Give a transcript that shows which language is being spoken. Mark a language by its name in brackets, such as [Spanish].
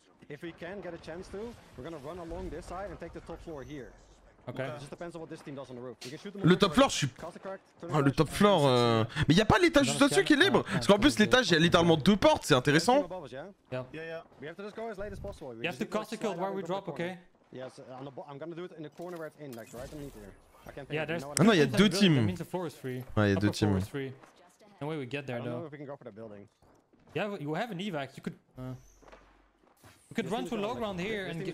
[English] If we can get a chance to, we're gonna run along this side and take the top floor here. Okay. It just depends on what this team does on the roof. We can shoot them. [French] Le top floor, je suis. Ah, le top floor. Mais y'a pas l'étage juste au-dessus qui est libre. Parce qu'en plus, l'étage, y'a littéralement deux portes, c'est intéressant. [English] Yeah. We have to just go as late as possible. You have to cast the kill where we drop, okay? Yes, I'm gonna do it in the corner where it's in, like right underneath here. I can't think of it. [French] Ah non, y'a deux teams. [English] That means the floor is free. [French] Ouais, y'a deux teams. [English] No way we get there, though. I don't know if we can go for the building. Yeah, you have an evac, you could. We could run to low ground here and get.